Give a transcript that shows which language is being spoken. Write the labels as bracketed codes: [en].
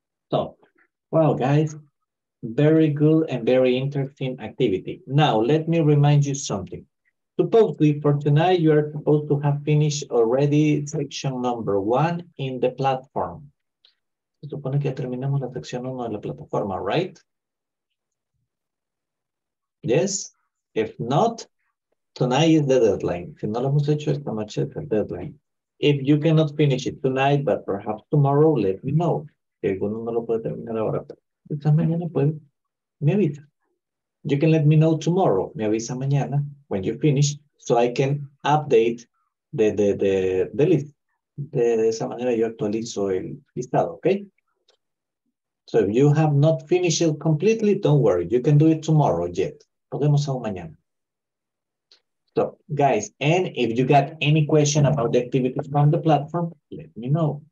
[en] So, well, guys, very good and very interesting activity. Now, let me remind you something. Supposedly, for tonight, you are supposed to have finished already section number one in the platform. [es] Se supone que terminamos la sección 1 de la plataforma, right? [en] Yes? If not, tonight is the deadline. [es] Si no lo hemos hecho, esta noche es el deadline. [en] If you cannot finish it tonight, but perhaps tomorrow, let me know. [es] Si alguno no lo puede terminar ahora, quizás mañana puede, me avisa. [en] You can let me know tomorrow. [es] Me avisa mañana [en] when you finish, so I can update the list. [es] De esa manera yo actualizo el listado, okay? [en] So if you have not finished it completely, don't worry. You can do it tomorrow yet. [es] Podemos hacerlo mañana. [en] So, guys, and if you got any question about the activities from the platform, let me know.